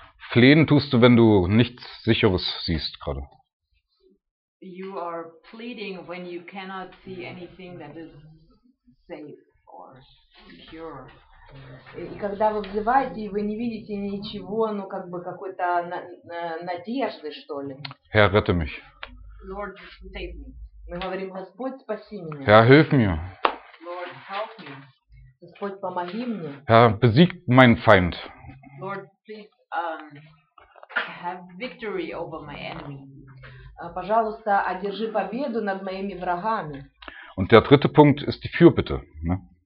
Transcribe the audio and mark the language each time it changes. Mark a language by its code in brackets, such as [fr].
[de] Flehen tust du, wenn du nichts Sicheres siehst gerade. [en] You are pleading when you cannot see anything that is safe or secure. [ru] И когда вы взываете, вы не видите ничего, ну как бы какой-то надежды, что ли. [de] Herr, rette mich. [en] Lord, save me. [ru] Мы говорим, Господь, спаси меня. [de] Herr, hilf mir. [en] Lord, help me. [ru] Господь, помоги мне. [de] Herr, besieg meinen Feind. [en] Lord, please have victory over my enemy. [ru] Пожалуйста, одержи победу над моими врагами. [de] Und der dritte Punkt ist die Fürbitte, ne?